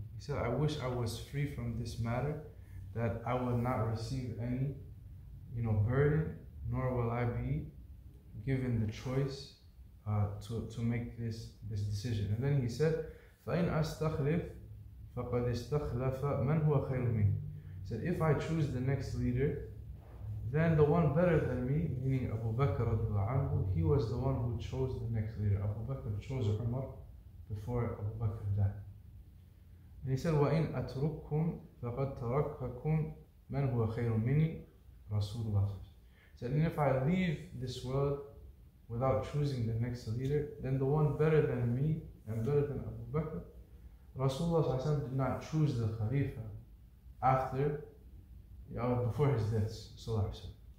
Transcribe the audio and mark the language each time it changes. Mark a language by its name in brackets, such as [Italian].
[English] He said, I wish I was free from this matter, that I will not receive any, you know, burden, nor will I be given the choice to make this decision. And then he said, [Arabic] فَإِنْ أَسْتَخْلِفْ فَقَدْ اسْتَخْلَفَ مَنْ هُوَ خَيْرٌ مِنْ. [English] He said, if I choose the next leader, then the one better than me, meaning Abu Bakr radiallahu anhu, he was the one who chose the next leader. Abu Bakr chose Umar before Abu Bakr died. And he said, [Arabic] وَإِنْ أَتْرُكْكُمْ فَقَدْ تَرَكَّكُمْ مَنْ هُوَ خَيْرٌ مِنِي رَسُولُ اللَّهِ. [English] He said, and if I leave this world without choosing the next leader, then the one better than me and better than Abu Bakr, Rasulullah did not choose the Khalifa after, before his death, sallallahu alayhi wa sallam.